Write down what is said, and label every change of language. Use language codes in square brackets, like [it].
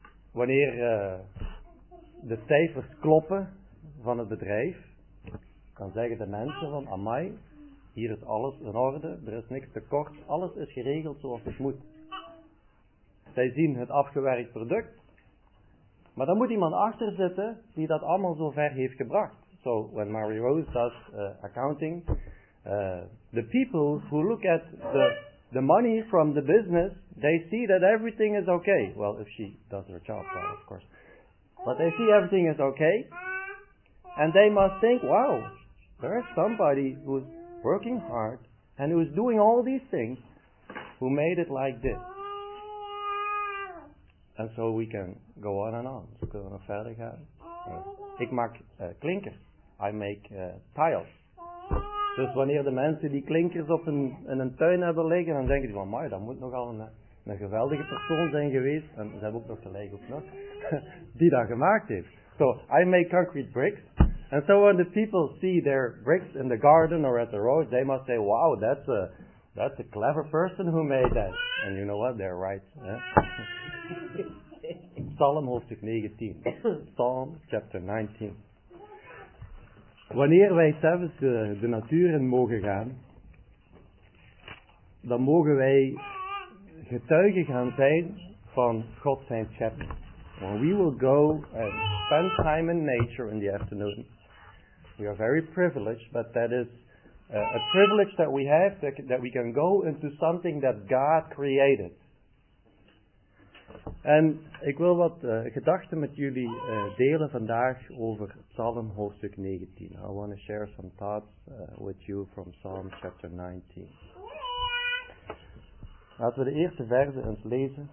[nl] Wanneer de cijfers kloppen van het bedrijf, dan zeggen de mensen van amai, hier is alles in orde, er is niks tekort, alles is geregeld zoals het moet. Zij zien het afgewerkt product, maar dan moet iemand achter zitten die dat allemaal zo ver heeft gebracht. [en] So, when Mary Rose does accounting, the people who look at the money from the business, they see that everything is okay. Well, if she does her job well, of course. But they see everything is okay, and they must think, wow, there is somebody who's working hard and who's doing all these things who made it like this. And so we can go on and on. We can go further. [nl] Ik maak klinkers. [en] I make tiles. [nl] Dus wanneer de mensen die klinkers op een tuin hebben liggen, dan denken die van, maar dat moet nogal een geweldige persoon zijn geweest. En ze hebben ook nog gelijk ook nog, die dat gemaakt heeft. [en] So, I make concrete bricks. And so when the people see their bricks in the garden or at the road, they must say, wow, that's a clever person who made that. And you know what? They're right. Eh? [nl] Psalm hoofdstuk 19. [en] Psalm chapter 19. [nl] Wanneer wij zelfs de natuur in mogen gaan, dan mogen wij getuigen gaan zijn van God zijn schepping. [en] When we will go and spend time in nature in the afternoon, we are very privileged, but that is a privilege that we have, that we can go into something that God created. [nl] En ik wil wat gedachten met jullie delen vandaag over Psalm hoofdstuk 19. [en] I want to share some thoughts with you from Psalm chapter 19. [nl] Laten we de eerste verzen eens lezen.